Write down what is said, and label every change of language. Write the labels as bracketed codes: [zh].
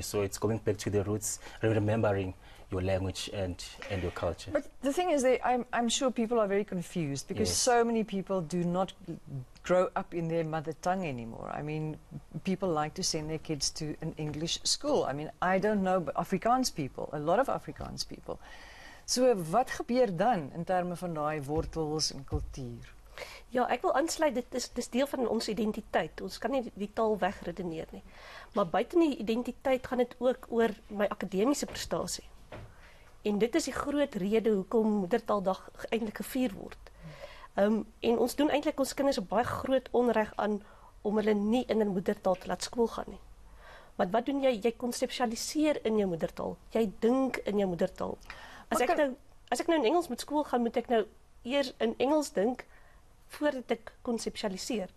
[en] So it's going back to the roots, remembering your language and your culture. But the thing is, I'm sure people are very confused because yes. So many people do not grow up in their mother tongue anymore. I mean, people like to send their kids to an English school. I mean, I don't know, but Afrikaans people, a lot of Afrikaans people. [af] So wat gebeur dan in terme van daai wortels en kultuur? Ja, ek wil aansluit, dit is deel van ons identiteit. Ons kan nie die taal wegredeneer nie. Maar buiten die identiteit gaan dit ook oor my akademiese prestasie. En dit is die groot rede hoekom Moedertaaldag eintlik gevier word. En ons doen eintlik ons kinders 'n baie groot onreg aan om hulle nie in 'n moedertaal te laat skool gaan nie. Want wat doen jy? Jy konseptualiseer in jou moedertaal. Jy dink in jou moedertaal. As ek nou in Engels moet skool gaan, moet ek nou eers in Engels dink voordat ek konseptualiseer.